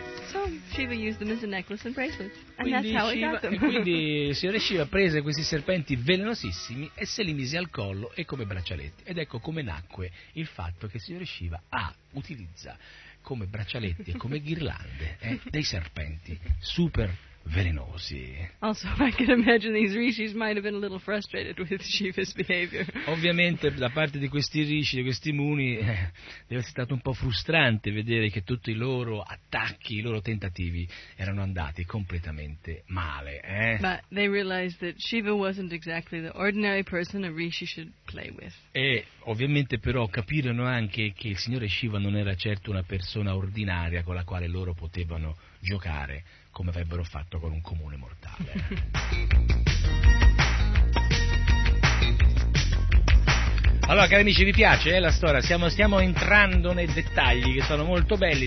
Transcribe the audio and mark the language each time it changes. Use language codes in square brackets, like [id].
[en] So Shiva used them as a necklace and bracelets, and quindi that's how Shiva, he got them. [it] Quindi il signore Shiva prese questi serpenti velenosissimi e se li mise al collo e come braccialetti, ed ecco come nacque il fatto che il signore Shiva utilizza come braccialetti e come ghirlande dei serpenti super velenosi. [en] Also, I can imagine these rishis might have been a little frustrated with Shiva's behavior. [it] Ovviamente, da parte di questi rishi, di questi muni, deve essere stato un po' frustrante vedere che tutti i loro attacchi, i loro tentativi, erano andati completamente male. [en] But they realized that Shiva wasn't exactly the ordinary person a rishi should play with. [it] E ovviamente, però, capirono anche che il signore Shiva non era certo una persona ordinaria con la quale loro potevano giocare, come avrebbero fatto con un comune mortale. Allora, cari amici, vi piace la storia? Stiamo entrando nei dettagli, che sono molto belli.